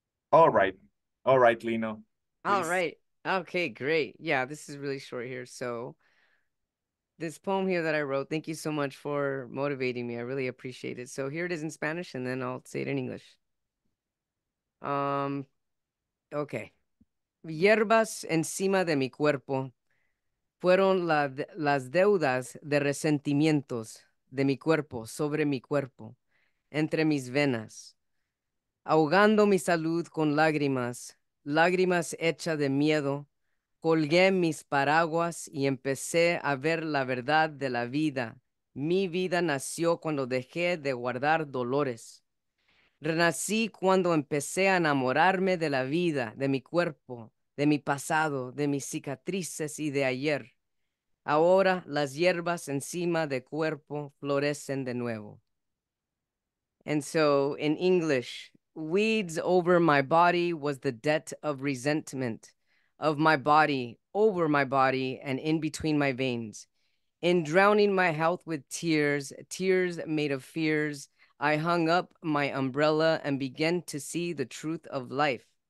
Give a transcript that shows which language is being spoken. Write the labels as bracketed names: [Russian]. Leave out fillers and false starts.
[English] All right, Lino, All please. right. Okay, great. Yeah, this is really short here. So, this poem here that I wrote, thank you so much for motivating me. I really appreciate it. So, here it is in Spanish, and then I'll say it in English. Okay. [Spanish] Hierbas encima de mi cuerpo fueron las deudas de resentimientos de mi cuerpo sobre mi cuerpo, entre mis venas, ahogando mi salud con lágrimas. Lágrimas hechas de miedo, colgué mis paraguas y empecé a ver la verdad de la vida. Mi vida nació cuando dejé de guardar dolores. Renací cuando empecé a enamorarme de la vida, de mi cuerpo, de mi pasado, de mis cicatrices y de ayer. Ahora las hierbas encima del cuerpo florecen de nuevo. [English] And so, in English, weeds over my body was the debt of resentment of my body, over my body, and in between my veins. In drowning my health with tears, tears made of fears, I hung up my umbrella and began to see the truth of life.